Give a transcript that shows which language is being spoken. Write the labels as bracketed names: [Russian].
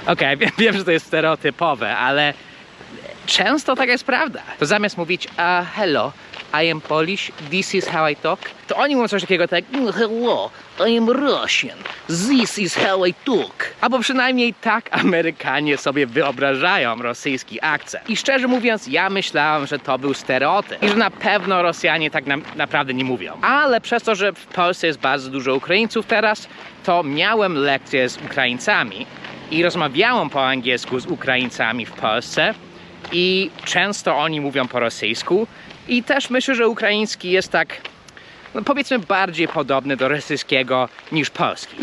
[Polish] Okej, wiem, że to jest stereotypowe, ale często taka jest prawda. To zamiast mówić hello, [English] I am Polish, this is how I talk. [Polish] To oni mówią coś takiego tak, [English] hello, I am Russian, this is how I talk. [Polish] Albo przynajmniej tak Amerykanie sobie wyobrażają rosyjski akcent. I szczerze mówiąc, ja myślałem, że to był stereotyp. I że na pewno Rosjanie tak naprawdę nie mówią. Ale przez to, że w Polsce jest bardzo dużo Ukraińców teraz, to miałem lekcje z Ukraińcami i rozmawiałem po angielsku z Ukraińcami w Polsce i często oni mówią po rosyjsku i też myślę, że ukraiński jest tak, no powiedzmy, bardziej podobny do rosyjskiego niż polski.